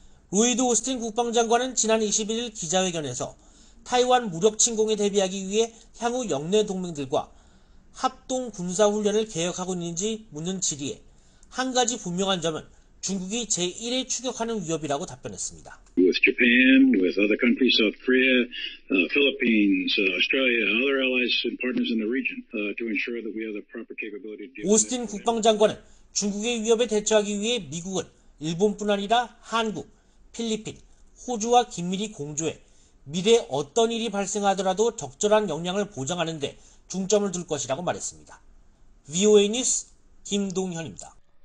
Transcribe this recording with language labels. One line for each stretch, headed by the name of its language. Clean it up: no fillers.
Korean: 로이드 오스틴 국방장관은 지난 21일 기자회견에서 타이완 무력 침공에 대비하기 위해 향후 영내 동맹들과 합동 군사훈련을 계획하고 있는지 묻는 질의에 한 가지 분명한 점은 중국이 제1의 추격하는 위협이라고 답변했습니다.
English: With Japan, with other countries, South Korea, Philippines, Australia, other allies and partners in the region, to ensure that we have the proper capability to deal with it.
Korean: 오스틴 국방장관은 중국의 위협에 대처하기 위해 미국은 일본뿐 아니라 한국, 필리핀, 호주와 긴밀히 공조해 미래 어떤 일이 발생하더라도 적절한 역량을 보장하는 데 중점을 둘 것이라고 말했습니다. VOA 뉴스 김동현입니다.